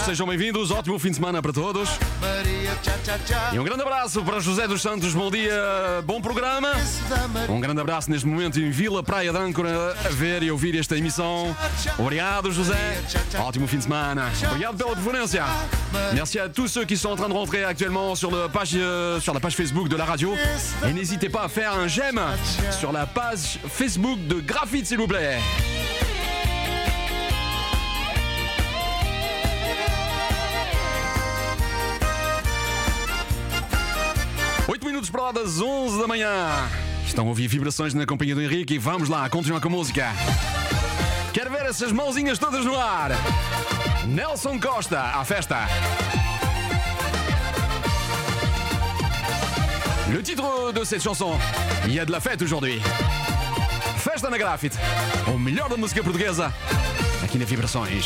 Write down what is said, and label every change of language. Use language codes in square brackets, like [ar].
[pt] Sejam bem-vindos, ótimo fim de semana para todos. Maria tchá-tchá-tchá. E um grande abraço para José dos Santos, bom dia, bom programa. Um grande abraço neste momento em Vila Praia de Âncora, a ver e ouvir esta emissão. Obrigado, José. Ótimo fim de semana. Obrigado pela preferência. [fr] Merci à tous ceux qui sont en train de rentrer actuellement sur la page Facebook de la radio. Et n'hésitez pas à faire un j'aime sur la page Facebook de Graphite, s'il vous plaît. [pt] Para lá das 11 da manhã. Estão a ouvir vibrações na companhia do Henrique e vamos lá, continuar com a música. Quero ver essas mãozinhas todas no ar. Nelson Costa, à festa. [fr] Le titre de cette chanson, Il y a de la fête aujourd'hui. [pt] Festa na Graphite, o melhor da música portuguesa, aqui na Vibrações.